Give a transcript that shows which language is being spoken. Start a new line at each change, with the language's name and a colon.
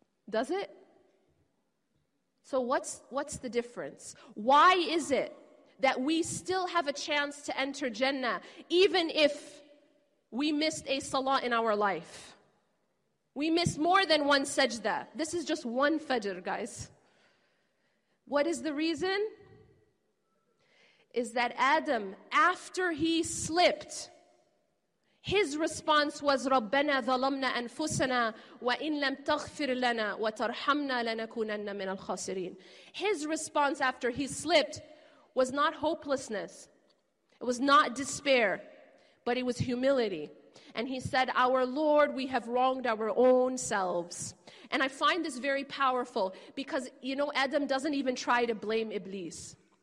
English: Does it? So what's the difference? Why is it that we still have a chance to enter Jannah even if we missed a salah in our life? We miss more than one sajda. This is just one fajr, guys. What is the reason? Is that Adam, after he slipped, his response was,
Arabic: رَبَّنَا ظَلَمْنَا أَنفُسَنَا وَإِنْ لَمْ تَغْفِرْ لَنَا وَتَرْحَمْنَا لَنَكُونَنَّ مِنَ الْخَاسِرِينَ.
English: His response after he slipped was not hopelessness. It was not despair, but it was humility. And he said, our Lord, we have wronged our own selves. And I find this very powerful because, you know, Adam doesn't even try to blame Iblis.